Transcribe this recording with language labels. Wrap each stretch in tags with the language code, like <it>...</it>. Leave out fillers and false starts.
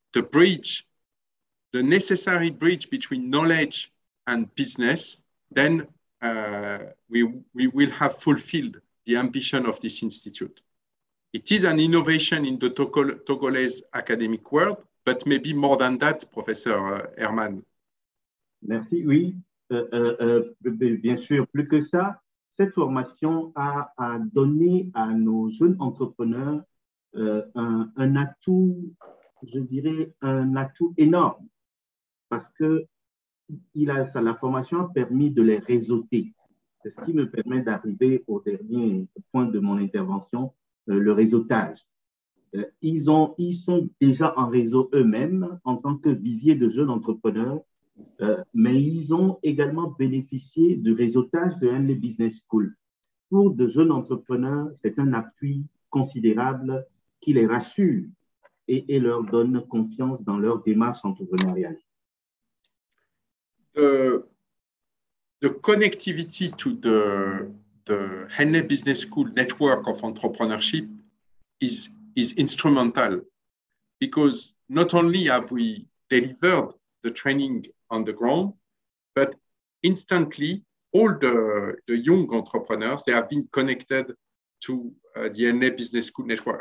<en>bridge, the necessary bridge between knowledge and business, then we will have fulfilled the ambition of this institute. It is an innovation in the Togolese academic world, but maybe more than that, Professor Herman.</en> <fr>Merci, oui. Bien sûr, plus que ça, cette formation a donné à nos jeunes entrepreneurs un atout, je dirais, un atout énorme, parce que la formation a permis de les réseauter. C'est ce qui me permet d'arriver au dernier point de mon intervention, le réseautage. Ils sont déjà en réseau eux-mêmes en tant que vivier de jeunes entrepreneurs, mais ils ont également bénéficié du réseautage de Henley Business School. Pour de jeunes entrepreneurs, c'est un appui considérable qui les rassure et leur donne confiance dans leur démarche entrepreneuriale.</fr> <en>The connectivity to the Henley Business School network of entrepreneurship is instrumental, because not only have we delivered the training on the ground, but instantly all the young entrepreneurs, they have been connected to the Henley Business School network.</en>